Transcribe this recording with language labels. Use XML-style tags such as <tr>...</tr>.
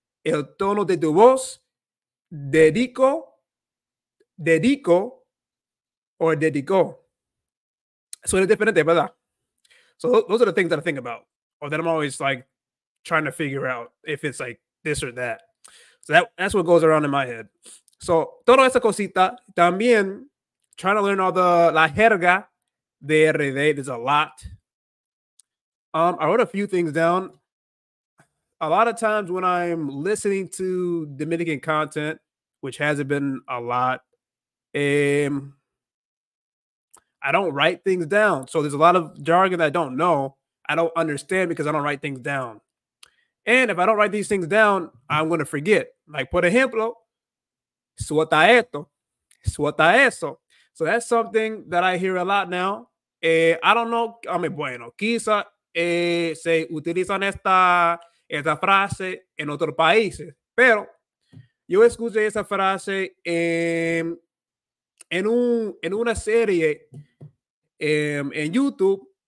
<es>el tono de tu voz, dedico o dedicó.</es> <en>So it's different, ¿verdad? So those are the things that I think about, or that I'm always like trying to figure out if it's like this or that. So that's what goes around in my head. So</en> <es>todo esa cosita,</es> <en>también trying to learn all the</en> <es>la jerga de RD.</es> <en>There's a lot. I wrote a few things down. A lot of times when I'm listening to Dominican content, which hasn't been a lot, I don't write things down. So there's a lot of jargon that I don't know. I don't understand because I don't write things down. And if I don't write these things down, I'm going to forget. Like, por ejemplo,</en> <es>suelta esto, suelta eso.</es> <en>So that's something that I hear a lot now. I don't know. I mean,</en> <es>bueno, quizá se utilizan esta frase en otros países. Pero yo escuché esa frase en una serie en YouTube.</es>